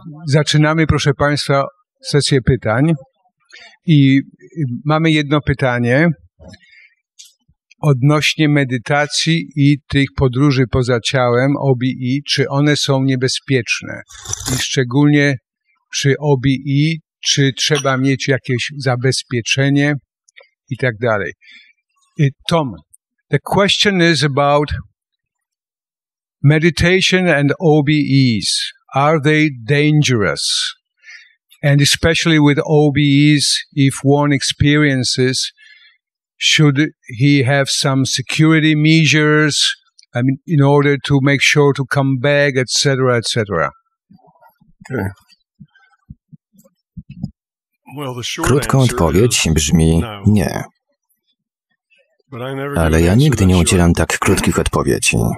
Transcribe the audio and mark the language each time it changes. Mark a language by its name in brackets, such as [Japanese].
[Polish] Zaczynamy, proszę Państwa, sesję pytań. I mamy jedno pytanie odnośnie medytacji i tych podróży poza ciałem, OBI, czy one są niebezpieczne? I szczególnie przy OBI, czy trzeba mieć jakieś zabezpieczenie i tak dalej. [English] Tom, the question is about meditation and OBEs. Are they dangerous? And especially with OBEs, if one experiences, should he have some security measures, I mean, in order to make sure to come back, et cetera, et cetera? Okay. Well, the short [Polish] krótka odpowiedź brzmi nie. Ale ja nigdy nie udzielam tak krótkich odpowiedzi.